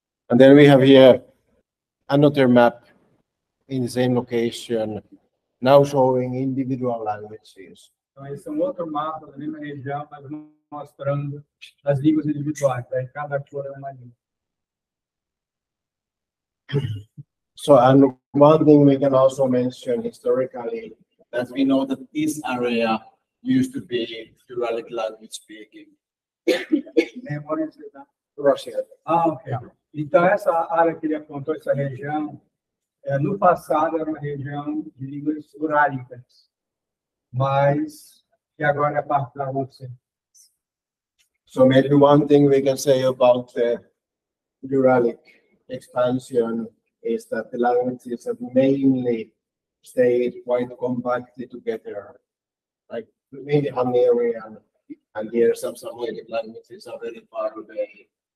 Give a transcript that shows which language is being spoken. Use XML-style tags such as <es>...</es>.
<en>And then we have here another map in the same location, now showing individual languages.</en> <pt>Então, esse é um outro mapa da mesma região, mas mostrando as línguas individuais, né? Cada cor é uma língua.</pt> <en>So, and one thing we can also mention historically, that we know that this area used to be Uralic language speaking. Russia. Ah, okay.</en> <pt>Então, essa área que ele apontou, essa região, no passado era uma região de línguas urálicas, mas que agora é parte da Rússia.</pt> <en>So, maybe one thing we can say about the Uralic expansion is that the languages have mainly stayed quite compacted together, like mainly Hungarian, and here some Samoyedic languages are very far away.</en>